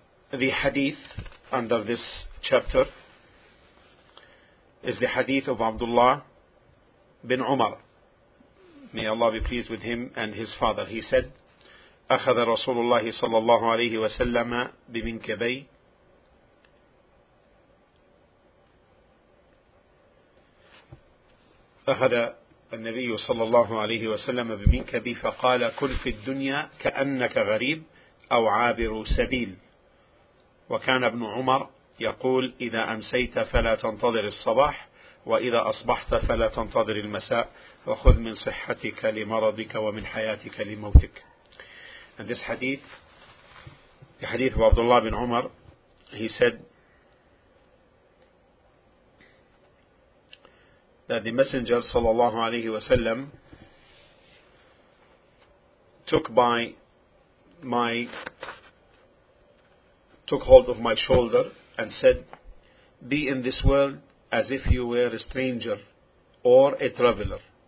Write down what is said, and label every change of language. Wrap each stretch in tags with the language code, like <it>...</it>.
<en>The hadith under this chapter is the hadith of Abdullah bin Umar. May Allah be pleased with him and his father. He said,</en> <ar>أخذ رسول الله صلى الله عليه وسلم بمنكبي أخذ النبي صلى الله عليه وسلم بمنكبي فقال كن في الدنيا كأنك غريب أو عابر سبيل. وكان ابن عمر يقول إذا أمسيت فلا تنتظر الصباح وإذا أصبحت فلا تنتظر المساء وخذ من صحتك لمرضك ومن حياتك لموتك.</ar> <en>And this hadith, the hadith of Abdullah bin Umar, he said that the Messenger</en> <ar>sallallahu alayhi wa sallam</ar> <en>took hold of my shoulder and said, be in this world as if you were a stranger or a traveler.</en>